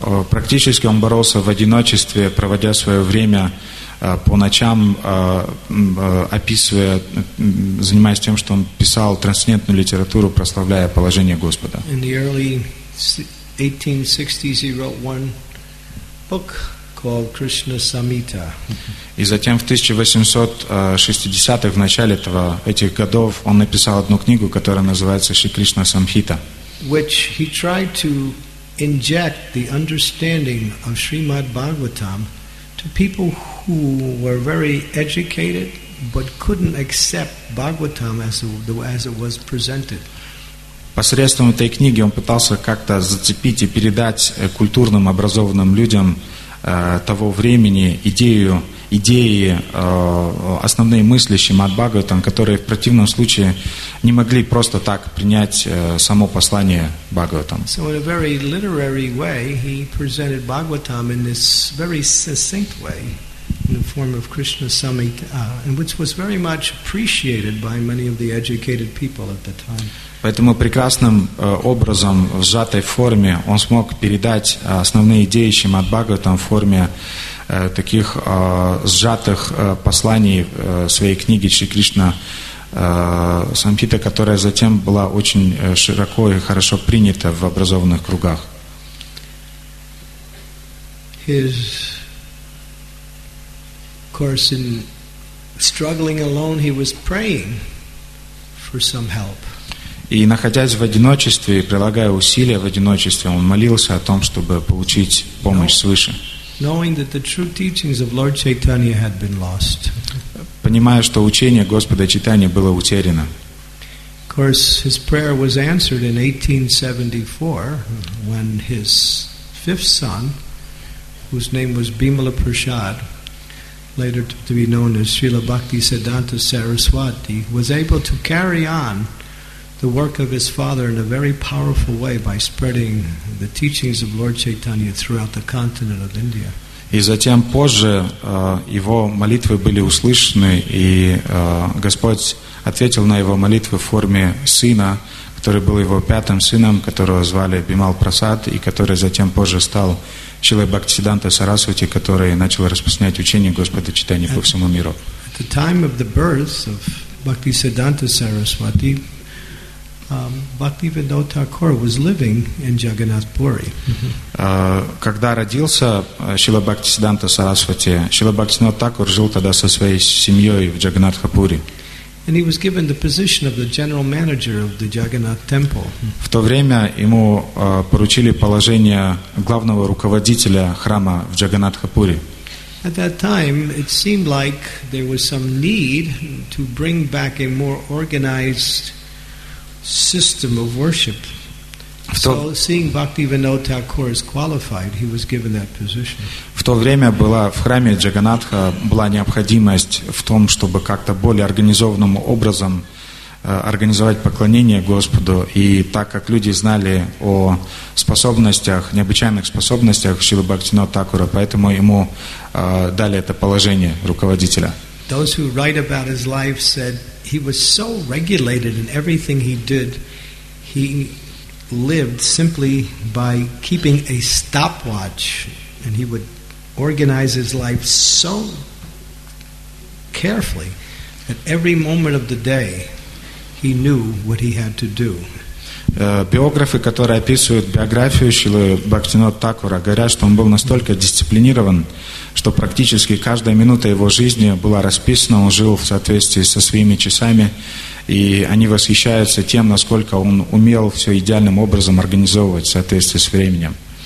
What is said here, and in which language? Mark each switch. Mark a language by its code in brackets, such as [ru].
[ru] Практически он боролся в одиночестве, проводя свое время по ночам, описывая, занимаясь тем, что он писал трансцендентную литературу, прославляя положение Господа. [en] In the early 1860s he wrote one book called Krishna Samhita. [ru] И затем в 1860-х, в начале этих годов, он написал одну книгу, которая называется Шри Кришна Самхита. [en] Which he tried to inject the understanding of Srimad Bhagavatam to people who were very educated but couldn't accept Bhagavatam as it was presented. [ru] Посредством этой книги он пытался как-то зацепить и передать культурным образованным людям того времени идеи, основные мысли Шримад Бхагаватам, которые в противном случае не могли просто так принять само послание Бхагаватам. [en] So in a very literary way, he presented Bhagavatam in this very succinct way, in the form of Krishna Samhita, and which was very much appreciated by many of the educated people at the time. [ru] Поэтому прекрасным образом, в сжатой форме, он смог передать основные идеи Шримад Бхагаватам в форме таких сжатых посланий своей книги Шри Кришна Самхита, которая затем была очень широко и хорошо принята в образованных кругах. [en] His course in struggling alone, he was praying for some help. [ru] И находясь в одиночестве, прилагая усилия в одиночестве, он молился о том, чтобы получить помощь свыше. [en] Knowing that the true teachings of Lord Chaitanya had been lost. [ru] Понимая, что учение Господа Чайтаньи было утеряно. [en] Of course, his prayer was answered in 1874 when his fifth son, whose name was Bimala Prasad, later to be known as Srila Bhakti Siddhanta Saraswati, was able to carry on the work of his father in a very powerful way by spreading the teachings of Lord Chaitanya throughout the continent of India. [ru] И затем позже его молитвы были услышаны, и Господь ответил на его молитвы в форме сына, который был его пятым сыном, которого звали Бимал Прасад, и который затем позже стал Шрилой Бхактисиддханта Сарасвати, который начал распространять учение Господа Чайтаньи по всему миру. [en] At the time of the birth of Bhaktisiddhanta Saraswati, Bhaktivinoda Thakur was living in Jagannath Puri. [ru] Когда родился Шрила Бхактисиддханта Сарасвати, Шрила Бхактивинода Тхакур жил тогда со своей семьей в Джаганнатхапури. [en] And he was given the position of the general manager of the Jagannath Temple. [ru] В то время ему поручили положение главного руководителя храма в Джаганнатхапури. [en] At that time, it seemed like there was some need to bring back a more organized system of worship. So, seeing Bhaktivinoda Thakur as qualified, he was given that position. [ru] В то время была в храме Джаганнатха была необходимость в том, чтобы как-то более организованным образом организовать поклонение Господу, и так как люди знали о способностях, необычайных способностях Шрилы Бхактивинода Тхакура, поэтому ему дали это положение руководителя. [en] Those who write about his life said He was so regulated in everything he did. He lived simply by keeping a stopwatch, and he would organize his life so carefully that every moment of the day he knew what he had to do. [ru] Биографы, которые описывают биографию Шрилы Бхактивинода Тхакура, говорят, что он был настолько дисциплинирован, что практически каждая минута его жизни была расписана, он жил в соответствии со своими часами, и они восхищаются тем, насколько он умел все идеальным образом организовывать в соответствии с временем.